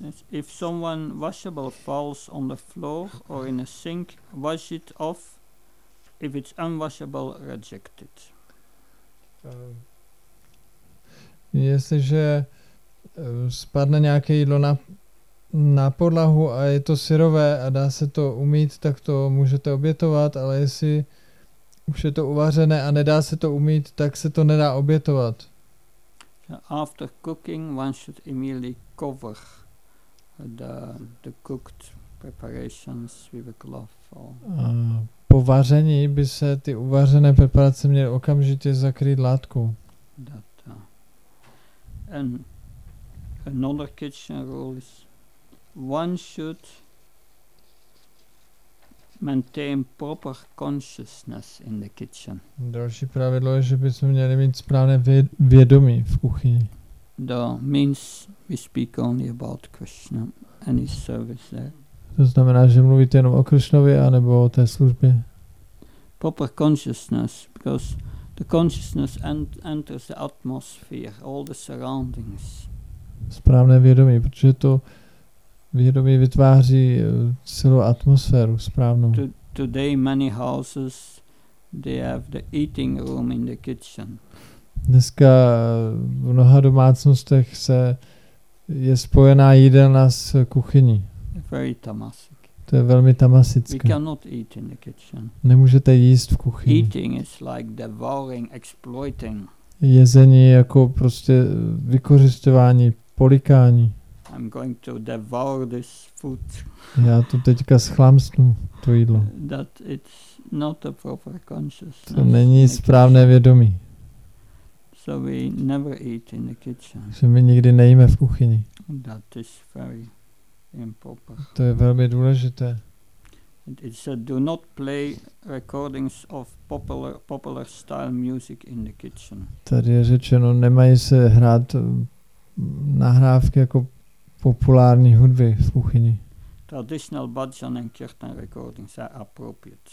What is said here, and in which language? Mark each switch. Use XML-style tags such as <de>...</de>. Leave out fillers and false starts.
<en>If someone washable falls on the floor or in a sink, wash it off. If it's unwashable, reject it.</en> <cs>Jestliže spadne nějaké jídlo na podlahu a je to syrové a dá se to umýt, tak to můžete obětovat, ale jestli už je to uvařené a nedá se to umýt, tak se to nedá obětovat.</cs> <en>After cooking, one should immediately cover the cooked preparations with a cloth.</en> <cs>Po vaření by se ty uvařené preparace měly okamžitě zakrýt látkou.</cs> <en>And another kitchen rule is one should maintain proper consciousness in the kitchen.</en> <cs>Další pravidlo je, že bychom měli mít správné vědomí v kuchyni.</cs> <en>That means we speak only about Krishna and his service there.</en> <cs>To znamená, že mluvíte jenom o Krishnovi anebo o té službě.</cs> <en>Proper consciousness, because the consciousness enters the atmosphere, all the surroundings.</en> <cs>Správné vědomí, protože to vědomí vytváří celou atmosféru správnou.</cs> <en>Today many houses they have the eating room in the kitchen.</en> <cs>Dneska v mnoha domácnostech se je spojená jídelna s kuchyní.</cs> <en>Very tamasic.</en> <cs>To je velmi tamasické.</cs> <en>We cannot eat in the kitchen.</en> <cs>Nemůžete jíst v kuchyni.</cs> <en>Eating is like devouring, exploiting.</en> <cs>Jezení je jako prostě vykořisťování, polikání.</cs> <en>I'm going to devour this food.</en> <cs>Já to teďka schlamstnu, to jídlo.</cs> <en>That it's not a proper consciousness.</en> <cs>To není správné vědomí.</cs> <en>So we never eat in the kitchen.</en> <cs>Že my nikdy nejíme v kuchyni.</cs> <en>That is very improper.</en> <cs>To je velmi důležité.</cs> <en>It said, do not play recordings of popular style music in the kitchen.</en> <cs>Tady je řečeno, nemají se hrát nahrávky jako populární hudby v kuchyni.</cs> <en>Traditional bhajan and kirtan recordings are appropriate.</en>